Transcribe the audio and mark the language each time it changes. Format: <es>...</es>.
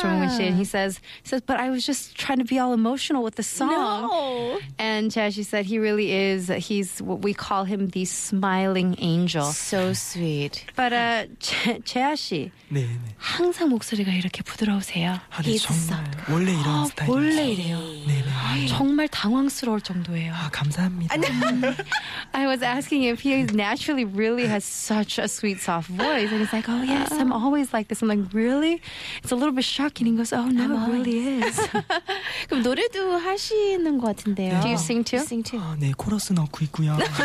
<en>조문근 씨, and he says, but I was just trying to be all emotional with the song. No. And as she said, he really is. He's what we call him the smiling angel. So sweet. But</en> <ko>재하 씨. 네, 네. 항상 목소리가 이렇게 부드러우세요. 아, 네, 정말 원래 이런 아, 스타일이에요. 원래 이래요. 네, 네. 아, 정말 당황스러울 정도예요. 아, 감사합니다.</ko> <en>I was asking if he naturally really has such a sweet soft voice and he's like, "Oh yes, I'm always like this." I'm like, "Really?" It's a little bit shocking. He goes, "Oh no, it really is."</en> <ko>그럼 노래도 하시는 것 같은데요.</ko> <en>Do you sing too? Sing too.</en> <ko>아, 네, 코러스 넣고 있고요.</ko>